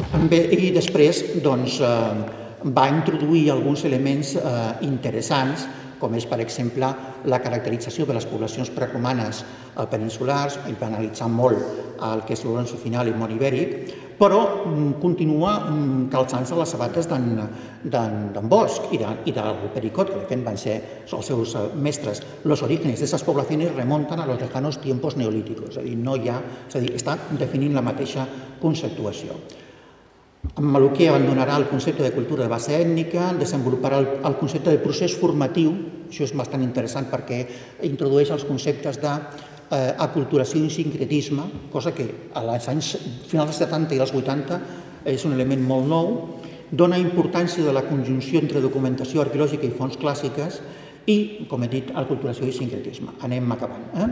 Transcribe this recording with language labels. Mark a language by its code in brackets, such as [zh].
[ca] I després doncs, va introduir alguns elements interessants, com és, per exemple, la caracterització de les poblacions preromanes peninsulars. Ell va analitzar molt el que és l'Oronzo Final i Mont Ibèric, però continua calçant-se les sabates d'en Bosch i del Pericot, que de fet van ser els seus mestres. [es] Los orígenes de esas poblaciones remontan a los lejanos tiempos neolíticos. [ca] És a dir, no hi ha, és a dir, està definint la mateixa conceptuació. En Maluquer abandonarà el concepte de cultura de base ètnica, desenvoluparà el concepte de procés formatiu, això és bastant interessant perquè introdueix els conceptes de aculturació i sincretisme, cosa que als anys finals dels 70 i els 80 és un element molt nou, dona importància de la conjunció entre documentació arqueològica i fonts clàssiques i, com he dit, aculturació i sincretisme. Anem acabant.